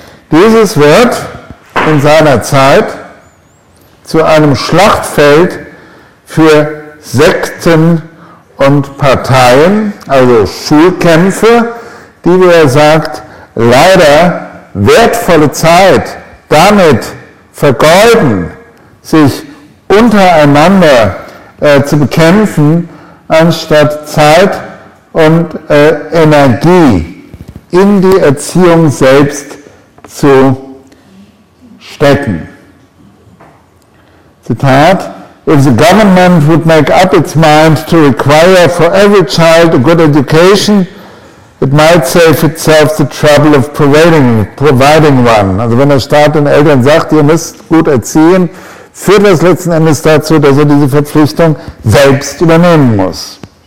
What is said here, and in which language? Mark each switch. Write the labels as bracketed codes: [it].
[de] Dieses wird in seiner Zeit zu einem Schlachtfeld für Sekten und Parteien, also Schulkämpfe, die, wie er sagt, leider wertvolle Zeit damit vergeuden, sich untereinander zu bekämpfen, anstatt Zeit und Energie in die Erziehung selbst zu stecken. Zitat: [en] If the government would make up its mind to require for every child a good education, it might save itself the trouble of providing one. [de] Also wenn der Staat den Eltern sagt, ihr müsst gut erziehen, führt das letzten Endes dazu, dass er diese Verpflichtung selbst übernehmen muss.